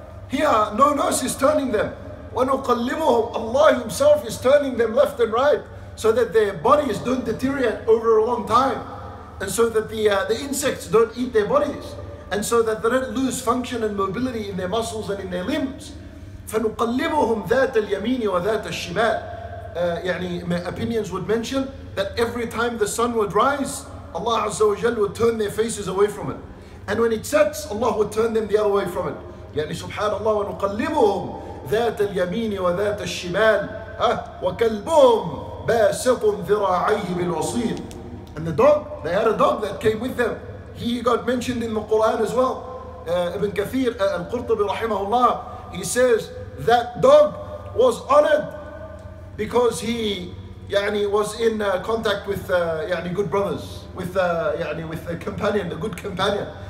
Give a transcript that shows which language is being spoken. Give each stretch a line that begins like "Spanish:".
English: Here, no nurse is turning them.
Arabic: وَنُقَلِّبُهُمْ,
English: Allah Himself is turning them left and right so that their bodies don't deteriorate over a long time, and so that the insects don't eat their bodies, and so that they don't lose function and mobility in their muscles and in their limbs.
Arabic: فَنُقَلِّبُهُمْ ذَاتَ الْيَمِينِ وَذَاتَ الشِّمَالِ.
English: opinions would mention that every time the sun would rise, Allah Azza wa Jal would turn their faces away from it. And when it sets, Allah would turn them the other way from it.
Arabic: يعني سبحان الله ونقلبهم ذات اليمين وذات الشمال وكلبهم باسط ذراعيه بالوصيل.
English: And the dog, they had a dog that came with them. He got mentioned in the Quran as well. Ibn Kathir al-Qurtubi rahimahullah, he says that dog was honored because he يعني was in contact with يعني good brothers, with يعني with a companion, a good companion.